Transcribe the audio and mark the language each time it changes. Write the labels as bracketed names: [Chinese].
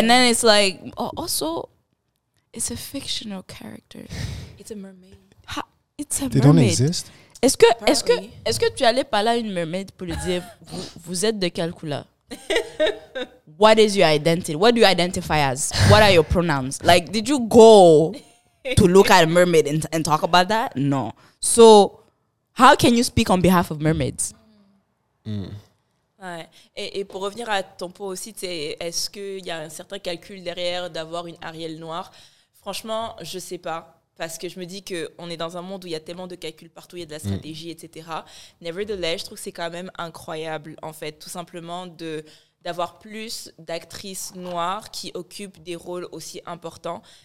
[English] And then it's like, also, it's a fictional character. It's a mermaid. They don't exist. [French] Est-ce que tu allais parler à une mermaid pour lui dire, vous êtes de quelle couleur? [English] What is your identity? What do you identify as? What are your pronouns? Like, did you go... to look at a mermaid and talk about that? No. So, How can you speak on behalf of mermaids? [French] Mm. Ouais. Et pour revenir à ton pot aussi, est-ce qu'il y a un certain calcul derrière d'avoir une Ariel noire? Franchement, je sais pas. Parce que je me dis qu'on est dans un monde où il y a tellement de calculs partout, il y a de la stratégie, etc. Nevertheless, je trouve que c'est quand même incroyable, en fait, tout simplement d'avoir plus d'actrices noires qui occupent des rôles aussi importants.